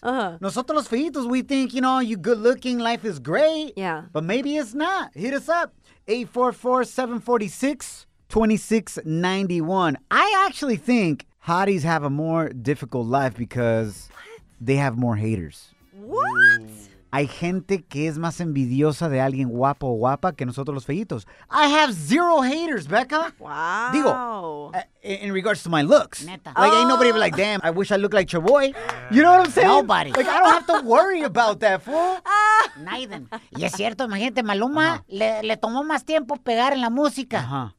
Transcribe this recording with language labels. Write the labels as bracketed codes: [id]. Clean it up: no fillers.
[es] Nosotros los feitos, [en] we think, you know, you good looking, life is great. Yeah. But maybe it's not. Hit us up. 844-746-2691. I actually think hotties have a more difficult life because they have more haters. What? [es] hay gente que es más envidiosa de alguien guapo o guapa que nosotros los feitos. [en] I have zero haters, Becca. Wow. [es] Digo, [en] in regards to my looks. [es] Neta. [en] Like, ain't nobody be like, damn, I wish I looked like Chavoy. You know what I'm saying? Nobody. Like, I don't have to worry about that, fool. [es] Naiden. Y es cierto, imagínate, Maluma le tomó más tiempo pegar en la música.